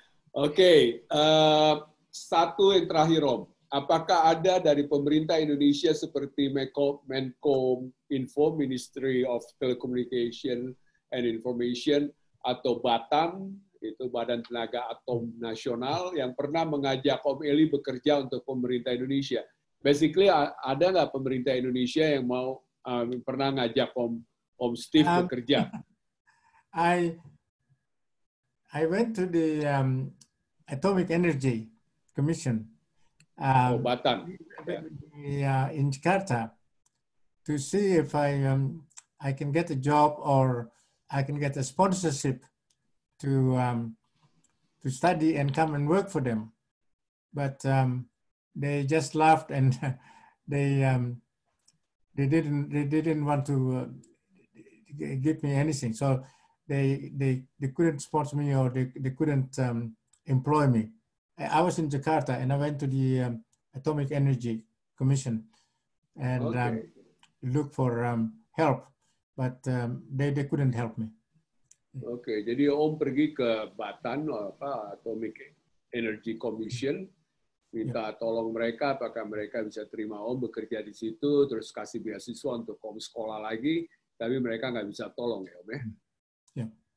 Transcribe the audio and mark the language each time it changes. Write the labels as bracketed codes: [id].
[id] Oke, satu yang terakhir Om, apakah ada dari pemerintah Indonesia seperti Menko Info, Ministry of Telecommunication and Information, atau Batam, itu Badan Tenaga Atom Nasional, yang pernah mengajak Om Eli bekerja untuk pemerintah Indonesia? Basically, ada nggak pemerintah Indonesia yang mau pernah ngajak Om Steve bekerja? [en] I went to the Atomic Energy Commission in Jakarta to see if I can get a job or I can get a sponsorship to study and come and work for them, but they just laughed and they didn't want to give me anything. So they couldn't sponsor me or they couldn't employ me. I was in Jakarta and I went to the Atomic Energy Commission and okay. Look for help, but they couldn't help me. [id] Okay, jadi Om pergi ke Batan apa Atomic Energy Commission, minta tolong mereka apakah mereka bisa terima Om bekerja di situ, terus kasih beasiswa untuk Om sekolah lagi, tapi mereka nggak bisa tolong ya Om ya.